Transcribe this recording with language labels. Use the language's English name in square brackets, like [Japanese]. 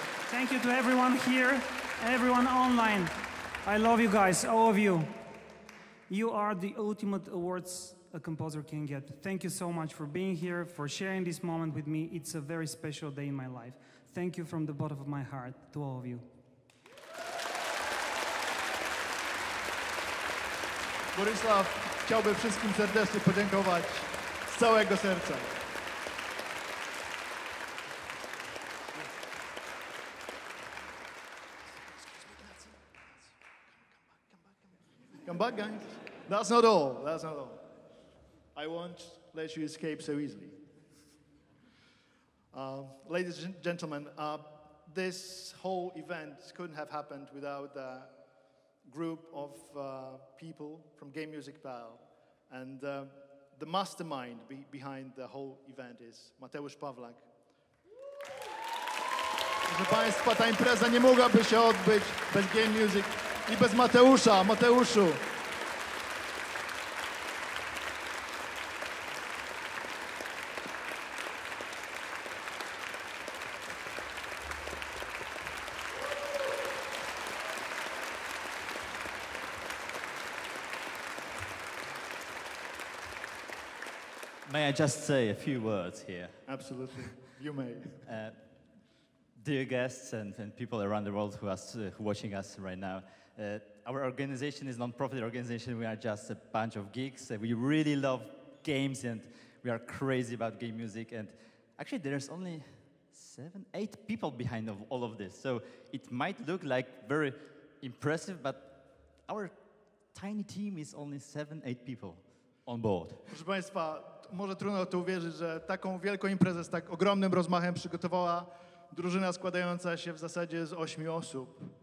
[English] Thank you to everyone here, everyone online. I love you guys, all of you. You are the ultimate awards a composer can get. Thank you so much for being here, for sharing this moment with me. It's a very special day in my life. Thank you from the bottom of my heart to all of you. [Polish] Borislav chciałby wszystkim serdecznie podziękować z całego serca. [English] Come back, guys. That's not all. I won't let you escape so easily. Ladies and gentlemen, this whole event couldn't have happened without the group of people from Game Music Pal, and the mastermind behind the whole event is Mateusz Pawlak. [Polish] Proszę Państwa, ta impreza nie mogłaby się odbyć bez Game Music I bez Mateusza. Mateuszu. [English] May I just say a few words here? Absolutely, you may. Dear guests and people around the world who are watching us right now, our organization is a non-profit organization. We are just a bunch of geeks. We really love games and we are crazy about game music. And actually there's only 7-8 people behind of all of this. So it might look like very impressive, but our tiny team is only 7-8 people on board. [Polish] Może trudno to uwierzyć, że taką wielką imprezę z tak ogromnym rozmachem przygotowała drużyna składająca się w zasadzie z 8 osób.